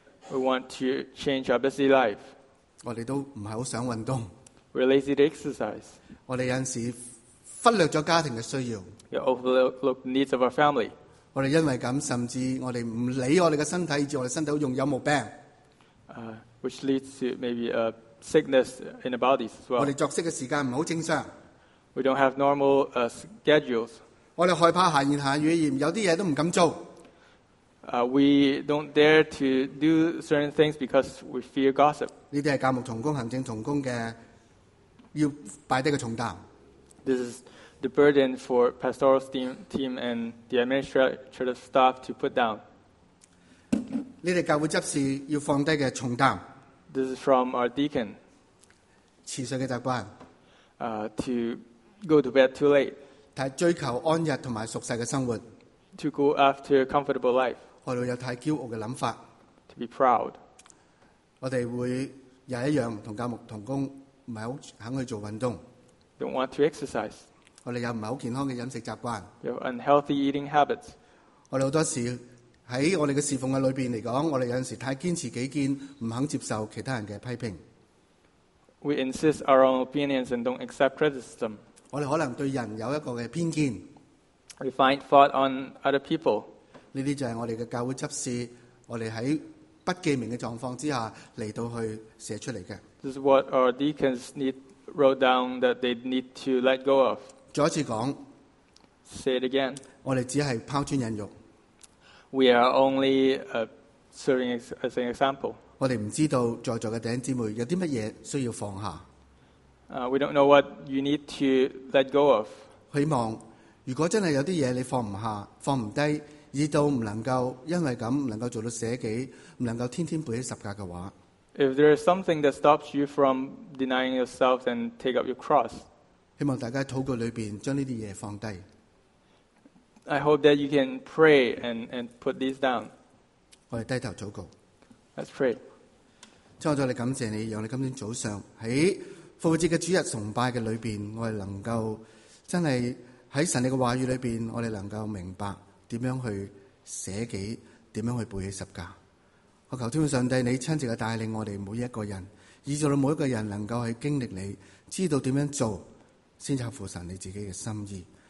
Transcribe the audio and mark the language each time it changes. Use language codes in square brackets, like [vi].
[en] We want to change our busy life. [yue] 我哋都唔系好想运动。 [en] We're lazy to exercise. [yue] 我哋有阵时忽略咗家庭嘅需要。 [en] We overlook the needs of our family. [yue] 我哋因为咁，甚至我哋唔理我哋嘅身体，以致我哋身体容易有毛病。 [en] Which leads to maybe a sickness in the bodies as well. [yue] 我哋作息嘅时间唔好正常。 [en] We don't have normal schedules. [yue] 我哋害怕闲言闲语，而有啲嘢都唔敢做。 [en] We don't dare to do certain things because we fear gossip. [yue] 呢啲系教牧同工、行政同工嘅要摆低嘅重担。 [en] This is the burden for pastoral team and the administrative staff to put down. [yue] 呢啲教会执事要放低嘅重担。 [en] This is from our deacon. [yue] 迟睡嘅习惯。 [en] To go to bed too late. [yue] 但追求安逸同埋熟悉嘅生活。 [en] To go after a comfortable life. [yue] 我哋有太骄傲嘅谂法。 [en] To be proud. [yue] 我哋会又一样同教牧同工唔系好肯去做运动。 [en] Don't want to exercise. [yue] 我哋又唔系好健康嘅饮食习惯。 [en] We have unhealthy eating habits. [yue] 我哋好多时喺我哋嘅侍奉嘅里边嚟讲，我哋有阵时太坚持己见，唔肯接受其他人嘅批评。 [en] We insist our own opinions and don't accept criticism. [yue] 我哋可能对人有一个嘅偏见。 [en] We find fault on other people. [yue] 呢啲就系我哋嘅教会执事，我哋喺不记名嘅状况之下嚟到去写出嚟嘅。 [en] This is what our deacons need wrote down that they need to let go of. [yue] 再一次讲。 [en] Say it again. [yue] 我哋只系抛砖引玉。 [en] We are only serving as an example. [yue] 我哋唔知道在座嘅弟兄姊妹有啲乜嘢需要放下。 [en] We don't know what you need to let go of. [yue] 希望如果真系有啲嘢你放唔下、放唔低，以到唔能够因为咁唔能够做到舍己，唔能够天天背起十架嘅话。 [en] If there is something that stops you from denying yourself and take up your cross, [yue] 希望大家祷告里边将呢啲嘢放低。 [en] I hope that you can pray and put these down. [yue] 我哋低头祷告。 [en] Let's pray. [yue] 亲爱的，我哋感谢你，让你今天早上喺。复活节嘅主日崇拜嘅里边，我哋能够真系喺神你嘅话语里边，我哋能够明白点样去舍己，点样去背起十架。我求天父上帝，你亲自嘅带领我哋每一个人，以至到每一个人能够去经历你，知道点样做先合乎神你自己嘅心意。